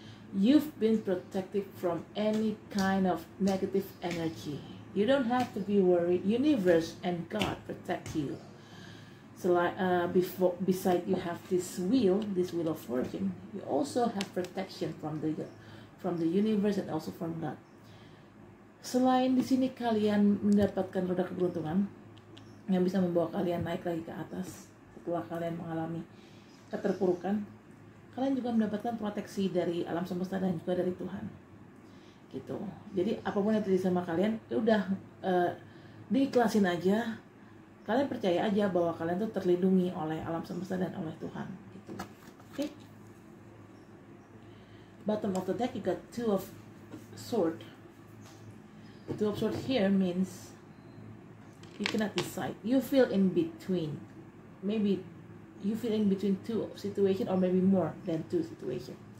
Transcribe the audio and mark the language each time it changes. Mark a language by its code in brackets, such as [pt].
[en] You've been protected from any kind of negative energy. You don't have to be worried. Universe and God protect you. So like beside you have this wheel of fortune, you also have protection from the universe and also from God. [id] Selain di sini kalian mendapatkan roda keberuntungan yang bisa membawa kalian naik lagi ke atas setelah kalian mengalami keterpurukan, kalian juga mendapatkan proteksi dari alam semesta dan juga dari Tuhan. Gitu. Jadi apapun yang terjadi sama kalian, udah diikhlasin aja. Kalian percaya aja bahwa kalian tuh terlindungi oleh alam semesta dan oleh Tuhan. Gitu. Oke. Okay. [en] Bottom of the deck you got Two of Swords. Two of Swords here means you cannot decide. You feel in between. Maybe you feel in between two situations, or maybe more than two situations.